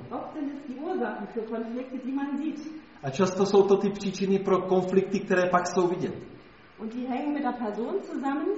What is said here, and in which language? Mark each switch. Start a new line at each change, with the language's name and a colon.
German: Oft sind es die Ursachen für Konflikte, die man sieht.
Czech: A často jsou to ty příčiny pro konflikty, které pak jsou vidět.
German: Und die hängen mit der Person zusammen.